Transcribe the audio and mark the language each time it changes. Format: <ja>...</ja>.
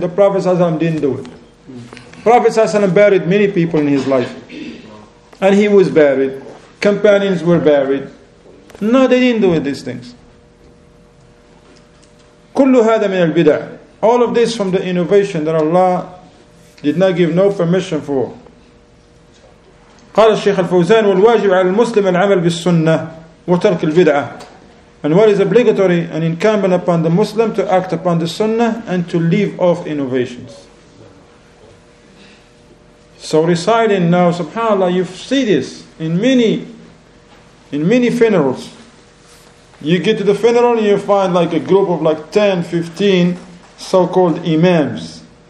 <en>The Prophet ﷺ didn't do it. Prophet ﷺ buried many people in his life. And he was buried. Companions were buried. No, they didn't do these things.</en> <ar>كل هذا من البدع.</ar> <en>All of this from the innovation that Allah did not give no permission for.</en> <ar>قال الشيخ الفوزان والواجب على المسلم العمل بالسنة وترك البدعة.</ar> <en>And what is obligatory and incumbent upon the Muslim to act upon the Sunnah and to leave off innovations. So reciting now, Subhanallah, you see this in many funerals. You get to the funeral and you find like a group of like 10, 15 so-called imams.</en>